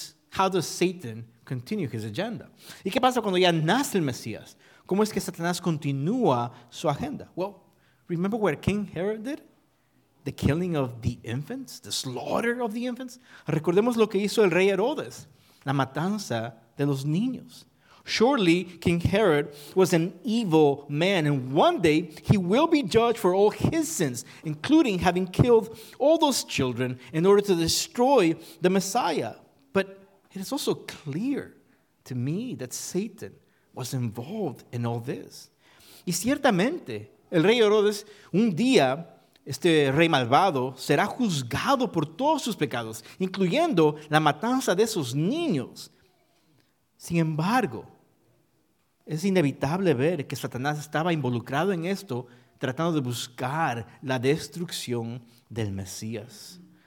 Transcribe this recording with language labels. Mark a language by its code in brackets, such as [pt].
[en] How does Satan continue his agenda? [es] ¿Y qué pasa cuando ya nace el Mesías? ¿Cómo es que Satanás continúa su agenda? [en] Well, remember what King Herod did? The killing of the infants, the slaughter of the infants. [es] Recordemos lo que hizo el rey Herodes, la matanza de los niños. [en] Surely, King Herod was an evil man, and one day he will be judged for all his sins, including having killed all those children in order to destroy the Messiah. But it is also clear to me that Satan was involved in all this. [es] Y ciertamente, el rey Herodes, un día, este rey malvado, será juzgado por todos sus pecados, incluyendo la matanza de esos niños. Sin embargo, es inevitable ver que Satanás estaba involucrado en esto, tratando de buscar la destrucción del Mesías.